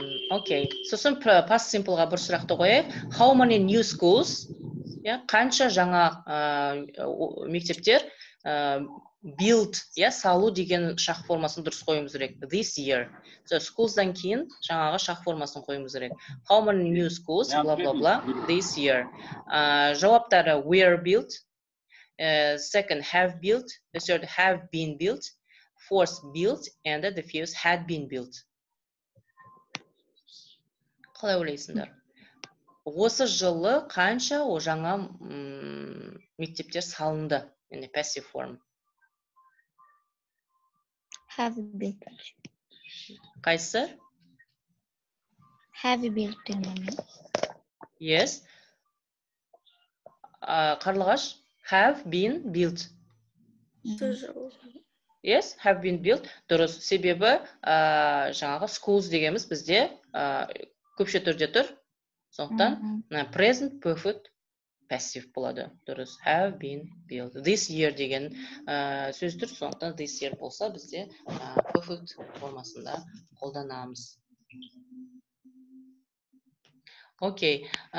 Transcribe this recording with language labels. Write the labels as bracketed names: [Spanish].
[Kazakh] Окей, сосын past simple-ға бір сұрақты қояйық. [English] How many new schools? [Kazakh] Қанша жаңа мектептер build, салу деген шақ формасын дұрыс қойымыз керек. [English] This year. [Kazakh] Schools-дан кейін жаңағы шақ формасын қойымыз керек. [English] How many new schools? Бла-бла-бла. This year. [Kazakh] Жауаптары [English] were built. Second, have built, the third, have been built, fourth, built, and the fifth, had been built. [Kazakh] Қалай ойлайсыңдар? Осы жылы қанша жаңа мектептер салынды? Яғни passive form. [English] Have been. [Kazakh] Қайсы? [English] Have built. Yes. Қарлығаш? Have been built. Yes, have been built. [Kazakh] Дұрыс. Себебі, жаңағы schools дегеміз бізде көпше түрде тұр. Сондықтан, present perfect passive болады. Дұрыс. [English] Have been built. This year [Kazakh] деген сөз тұр. Сондықтан, this year болса, бізде perfect формасында қолданамыз. [English] Окей.